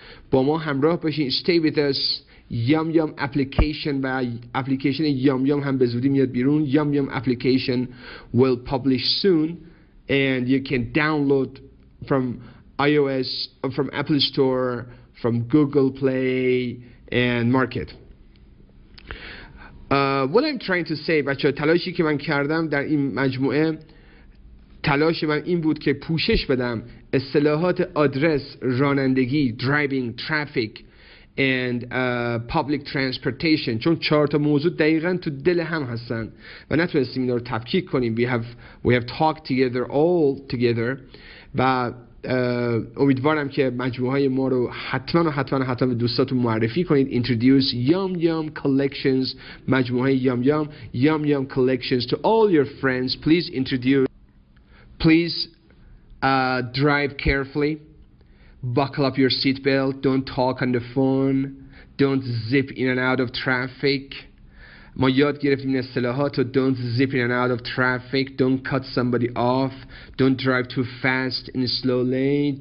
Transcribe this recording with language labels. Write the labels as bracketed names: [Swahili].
[Persian] با ما همراه باشید. [English] Stay with us. [Persian] Yum Yum application و application Yum Yum هم به زودی میاد بیرون. [English] Yum Yum application will publish soon. And you can download from iOS, from Apple Store, from Google Play, and Market. What I'm trying to say, [Persian] بچه ها، تلاشی که من کردم در این مجموعه، تلاش من این بود که پوشش بدم اصطلاحات آدرس، رانندگی، [English] driving, traffic, and public transportation. [Persian] چون چهار تا موضوع دقیقا تو دل هم هستن و نتونستیم اینا رو تفکیک کنیم. [English] We have talked together all together [Persian] و امیدوارم که مجموعه های ما رو حتما و حتما و حتما به دوستاتون معرفی کنید. [English] Introduce Yum Yum Collections، مجموعه Yum Yum، Yum Yum Collections to all your friends. Please introduce. Please drive carefully. Buckle up your seatbelt. Don't talk on the phone. Don't zip in and out of traffic. [Persian] ما یاد گرفتیم اصطلاحات رو. [English] Don't zip in and out of traffic. Don't cut somebody off. Don't drive too fast in a slow lane.